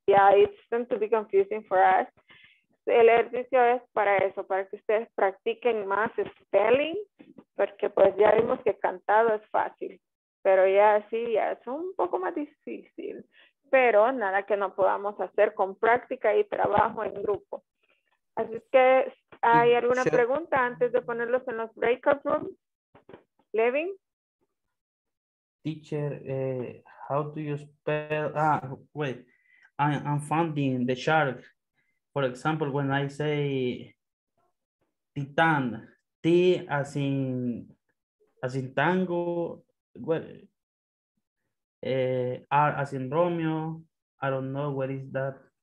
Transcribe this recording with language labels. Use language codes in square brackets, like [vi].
[en] Yeah, it's going to be confusing for us. [es] El ejercicio es para eso, para que ustedes practiquen más spelling, porque pues ya vimos que cantado es fácil, pero ya sí, ya es un poco más difícil, pero nada que no podamos hacer con práctica y trabajo en grupo. Así que, ¿hay alguna pregunta antes de ponerlos en los breakout rooms? Levin? [en] Teacher, how do you spell, I'm finding the shark. For example, when I say Titan, T as in tango, well, R as in Romeo, I don't know what is that.